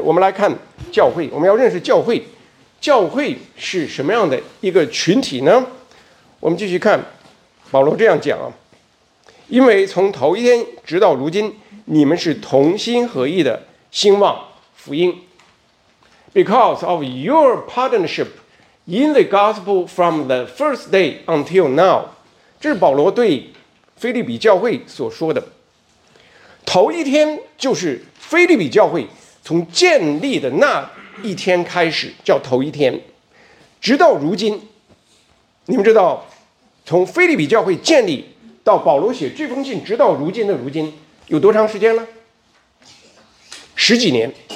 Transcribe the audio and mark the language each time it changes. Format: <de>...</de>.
<zh>我们来看教会，我们要认识教会，教会是什么样的一个群体呢？我们继续看保罗这样讲，因为从头一天直到如今，你们是同心合意的兴旺福音。</zh> <en>Because of your partnership in the gospel from the first day until now.</en> <zh>这是保罗对腓立比教会所说的。头一天就是腓立比教会从建立的那一天开始，叫头一天。直到如今，你们知道，从腓立比教会建立到保罗写这封信，直到如今的如今，有多长时间了？十几年。</zh>